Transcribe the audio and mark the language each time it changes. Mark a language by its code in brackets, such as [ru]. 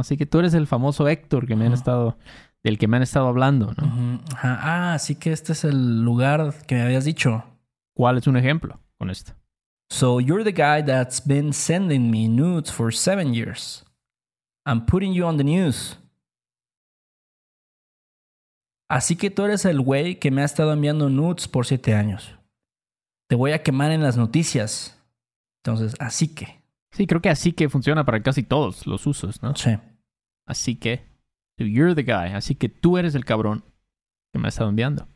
[es] Así que tú eres el famoso Héctor que me han estado, del que me han estado hablando, ¿no? Uh-huh. Ajá. Ah, así que este es el lugar que me habías dicho. ¿Cuál es un ejemplo con esto? [en] So, you're the guy that's been sending me nudes for 7 years. I'm putting you on the news. [es] Así que tú eres el güey que me ha estado enviando nudes por 7 años. Te voy a quemar en las noticias. Entonces, así que. Sí, creo que así que funciona para casi todos los usos, ¿no? Sí. Así que. [en] So you're the guy. [es] Así que tú eres el cabrón que me ha estado enviando.